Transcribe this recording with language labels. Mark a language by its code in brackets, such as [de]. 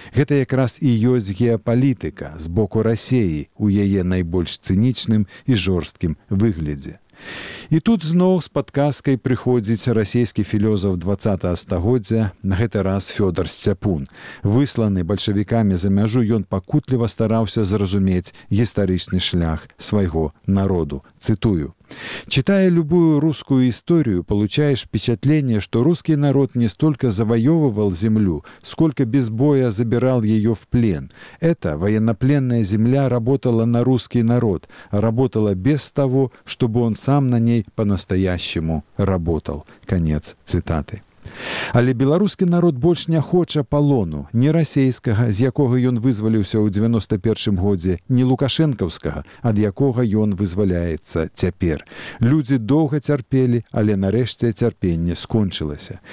[be] Гэта якраз і ёсць геапалітыка з боку Расіі ў яе найбольш цынічным і жорсткім выглядзе. І тут зноў з падказкай прыходзіць расійскі філёзаф 20-го стагоддзя, на гэты раз Фёдар Сцяпун. Высланы бальшавікамі за мяжу, ён пакутліва стараўся зразумець гістарычны шлях свайго народу. Цытую. [ru] Читая любую русскую историю, получаешь впечатление, что русский народ не столько завоевывал землю, сколько без боя забирал ее в плен. Эта военнопленная земля работала на русский народ, работала без того, чтобы он сам на ней по-настоящему работал. Конец цитаты. [be] Але беларускі народ больш не хоча палону, ні расейскага, з якога ён вызваліўся ў 91-м годзе, ні лукашэнкаўскага, ад якога ён вызваляецца цяпер. Людзі доўга цярпелі, але нарэшце цярпенне скончылася.